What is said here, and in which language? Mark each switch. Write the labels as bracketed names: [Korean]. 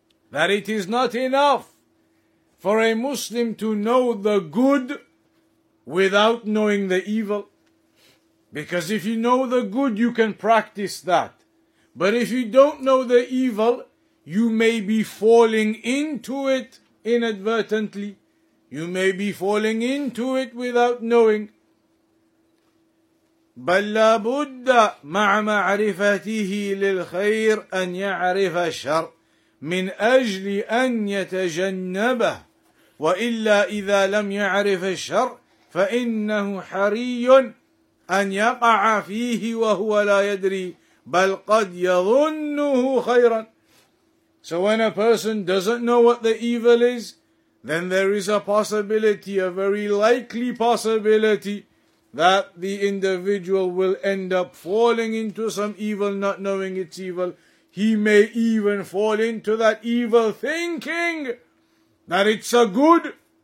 [English] That it is not enough for a Muslim to know the good without knowing the evil. Because if you know the good, you can practice that. But if you don't know the evil, you may be falling into it inadvertently. You may be falling into it without knowing. [Arabic] بَلَّا بُدَّ مَعْ مَعْرِفَتِهِ لِلْخَيْرِ أَنْ يَعْرِفَ الشَّرْ مِنْ أَجْلِ أَنْ يَتَجَنَّبَهُ وَإِلَّا إِذَا لَمْ يَعْرِفَ الشَّرْ فَإِنَّهُ حَرِيٌّ أن يقع فيه وهو لا يدري بل قد يظنه خيرا. [English] So when a person doesn't know what the evil is, then there is a possibility, a very likely possibility, that the individual will end up falling into some evil, not knowing it's evil. He may even fall into that evil thinking that it's a good.